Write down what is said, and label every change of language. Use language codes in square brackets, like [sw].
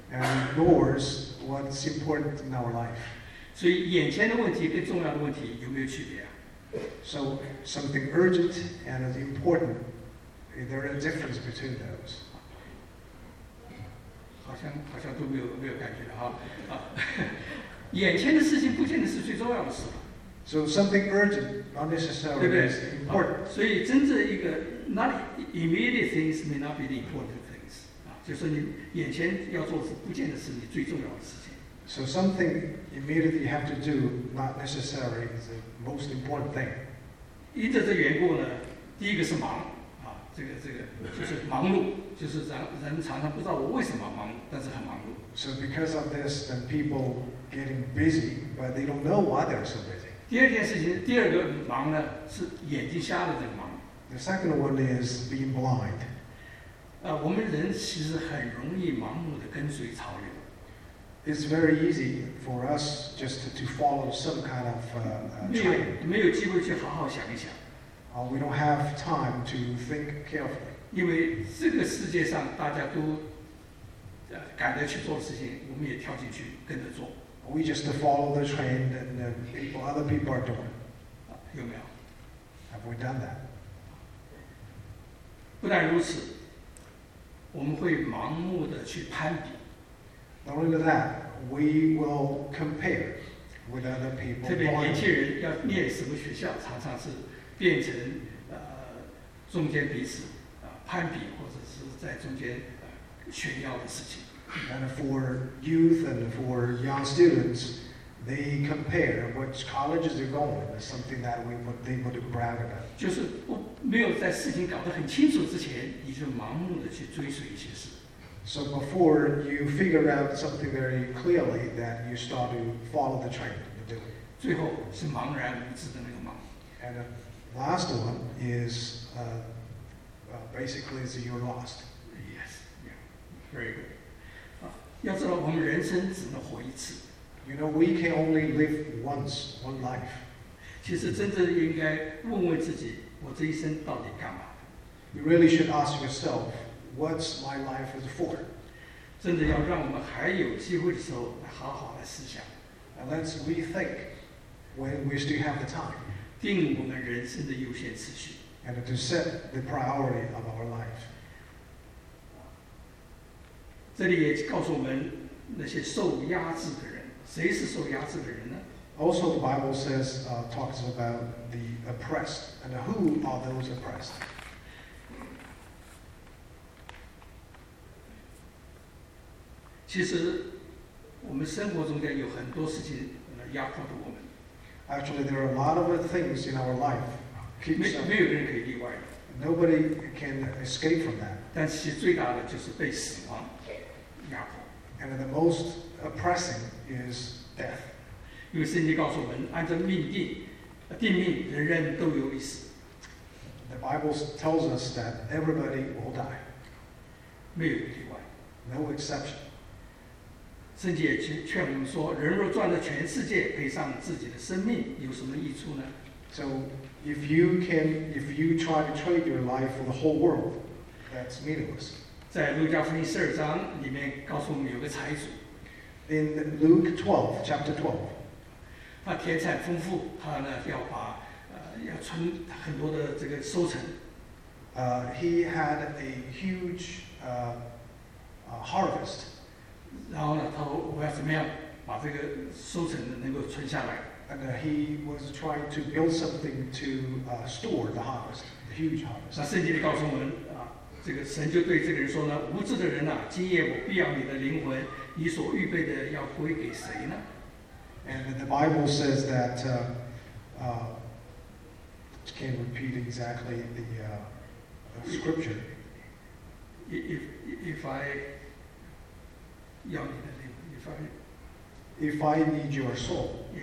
[en] ，and ignores what's important in our life. [zh] 所以眼前的问题跟重要的问题有没有区别啊 [en] ？So something urgent and important, is there a difference between those? [zh] 好像都没有感觉的哈眼前的事情不见得是最重要的事。 [en] So something urgent, not necessarily [zh] 对不对 [en] important. [zh] 所以真正一个 [en] not immediate things may not be the important things. [zh] 就是你眼前要做的不见得是你最重要的事情。 [en] So something immediately you have to do, not necessarily is the most important thing. [zh] 因着这缘故呢，第一个是忙，这个就是忙碌，就是人常常不知道我为什么忙碌，但是很忙碌。 [en] So because of this, then people getting busy, but they don't know why they're so busy. [zh] 第二件事情，第二个忙呢，是眼睛瞎了这个忙。 [en] The second one is being blind. [zh] 我们人其实很容易盲目的跟随潮流。 [en] It's very easy for us just to follow some kind of trend. [zh] 没有机会去好好想一想。 [en] We don't have time to think carefully. [zh] 因为这个世界上大家都赶着去做事情，我们也跳进去跟着做。 [en] We just follow the trend that the people, other people are doing. [zh] 有没有 [en] Have we done that? [zh] 不但如此，我们会盲目的去攀比。 [en] Not only that, we will compare with other people. [zh] 特别年轻人要念什么学校，常常是变成中间彼此攀比，或者是在中间炫耀的事情。 [en] And for youth and for young students, they compare which colleges they're going with, something that they would brag about. [zh] 就是不没有在事情搞得很清楚之前，你就盲目的去追随一些事。 [en] So before you figure out something very clearly, that you start to follow the trend to do it. [zh] 最后是茫然无知的那个茫。 [en] And last one is basically is you're lost. Yes. Yeah. Very good. [zh] 要知道，我们人生只能活一次。 [en] You know, we can only live once, one life. [zh] 其实，真正应该问问自己，我这一生到底干嘛 [en] ？You really should ask yourself, what's my life is for? [zh] 真的要让我们还有机会的时候，来好好来思想。 [en] And let's rethink when we still have the time. [zh] 定我们人生的优先次序。 [en] And to set the priority of our life. [zh] 这里也告诉我们那些受压制的人，谁是受压制的人呢 [en] ？Also, the Bible says talks about the oppressed, and who are those oppressed? [zh] 其实我们生活中间有很多事情压迫着我们。 [en] Actually, there are a lot of things in our life. [zh] 没有人可以例外。 [en] Nobody can escape from that. [zh] 但其实最大的就是被死亡。 [en] And the most oppressing is death. [zh] 因为圣经告诉我们，按照命定，定命，人人都有一死。 [en] The Bible tells us that everybody will die. [zh] 没有例外。 [en] No exception. [zh] 圣经也劝我们说，人若赚了全世界，赔上自己的生命，有什么益处呢 [en] ？So if you try to trade your life for the whole world, that's meaningless. [zh] 在路加福音十二章里面告诉我们有个财主。 [en] In Luke 12, chapter 12. [zh] 他田产丰富，他呢要把要存很多的这个收成。 [en] He had a huge harvest. [zh] 然后呢，他说我要怎么样把这个收成能够存下来 [en] And he was trying to build something to store the harvest, the huge harvest. [zh] 那圣经里告诉我们, 这个神就对这个人说呢, 无知的人啊, 今夜我, 必要你的灵魂, 你所预备的要归给谁呢? [en] And the Bible says that, can't repeat exactly the scripture. If I need your soul,